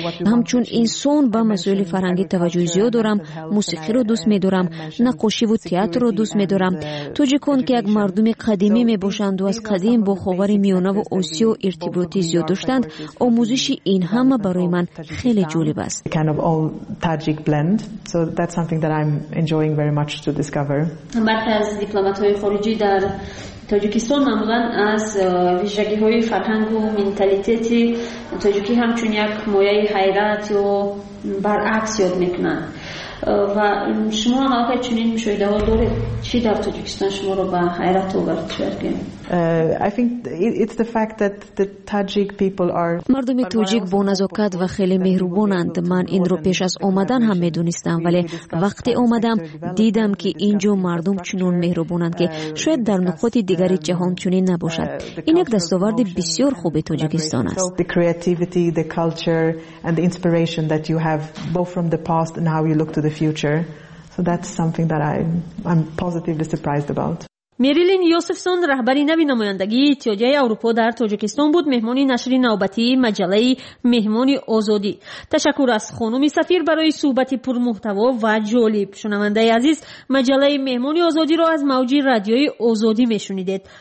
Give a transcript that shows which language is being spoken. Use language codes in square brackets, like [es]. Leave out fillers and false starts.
[fa] همچون انسان با مسائل فرهنگی توجه زیاد دارم، موسیقی را دوست می‌دارم، نقاشی و تئاتر را دوست می‌دارم. توجیکون که یک مردم قدیمی می باشند و از قدیم با خاور میانه و آسیو ارتباطی زیاد داشتند، آموزش این همه برای من خیلی جالب است. [en] Kind of all Tajik blend, so that's something that I'm enjoying very much to discover. [fa] برخی از دیپلمات‌های خارجی در تاجیکستان معمولا از ویژگی‌های فرهنگ و منتالیتی تاجیکی همچون یک مایه حیرت و برعکس یاد میکنند. و شما هم آقای چونین میشوید اول دوره چی در تاجیکستان شما رو به حیرت آورد چرگیم؟ [en] I think it's the fact that the Tajik people are [fa] مردم توجیک با نزاکت و خیلی مهربانند. من این رو پیش از آمدن هم میدونستم، ولی وقتی آمدم دیدم که اینجا مردم چنون مهربانند که شاید در نقاط دیگر جهان چنین نباشد. این یک دستاورد بسیار خوب تاجیکستان است. [en] The creativity, the culture and the inspiration that you have both from the past and how you look to the future. So that's something that I'm positively surprised about. [fa] میریلین یوسفسون رهبری نوی نمایندگی اتحادیه اروپا در تاجیکستان بود، مهمانی نشر نوبتی مجله مهمانی آزادی. تشکر از خانم سفیر برای صحبت پرمحتوا و جالب. شنونده عزیز، مجله مهمانی آزادی را از موج رادیوی آزادی میشنیدید.